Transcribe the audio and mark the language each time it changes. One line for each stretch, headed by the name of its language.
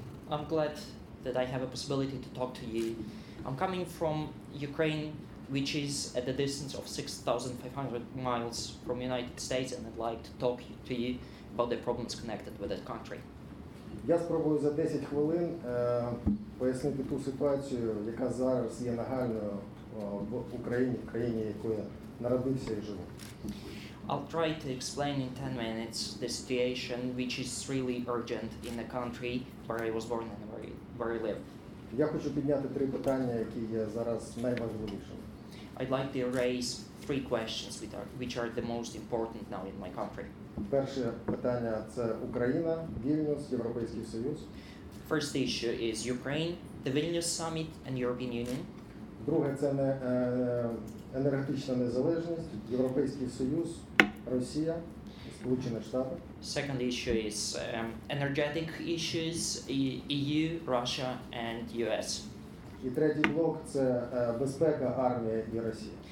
English: I'm glad that I have a possibility to talk to you. I'm coming from Ukraine, which is at the distance of 6,500 miles from the United States, and I'd like to talk to you about the problems connected with that country.
Ukrainian: Я спробую за 10 хвилин пояснити ту ситуацію, яка зараз є нагальною в Україні, в країні, якою я народився і живу.
English: I'll try to explain in 10 minutes the situation which is really urgent in the country where I was born and where I live.
Ukrainian: Я хочу підняти три питання, які є зараз найважливішими.
English: I'd like to raise three questions which are the most important now in my country.
Ukrainian: Перше питання – це Україна, Вільнюс, Європейський Союз.
English: First issue is Ukraine, the Vilnius Summit and European Union.
Ukrainian: Друге – це енергетична незалежність, Європейський Союз, Росія, Сполучені Штати.
English: Second issue is energetic issues, EU, Russia and US.
Ukrainian: І третій блок – це безпека, армія і Росія.